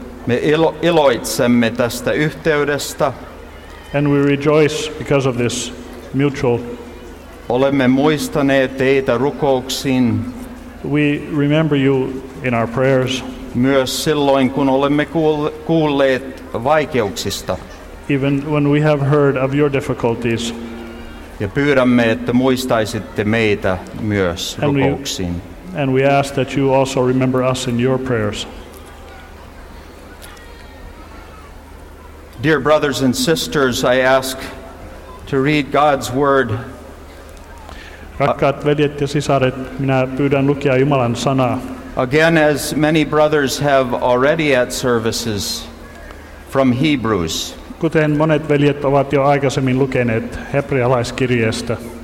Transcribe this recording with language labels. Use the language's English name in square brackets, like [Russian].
[Finnish] Me iloitsemme tästä yhteydestä. [English] And we rejoice because of this mutual. [Finnish] Olemme muistaneet teitä rukouksiin. [English] We remember you in our prayers. [Finnish] Myös silloin kun olemme kuulleet vaikeuksista. [English] Even when we have heard of your difficulties. [Finnish] Ja pyydämme, että muistaisitte meitä myös rukouksiin. [English] And we ask that you also remember us in your prayers. Dear brothers and sisters, I ask to read God's word. [Finnish] Rakkaat veljet ja sisaret, minä pyydän lukea Jumalan sanaa. [English] Again, as many brothers have already at services, from Hebrews. [Finnish] Kuten monet veljet ovat jo aikaisemmin lukeneet hebrealaiskirjeestä.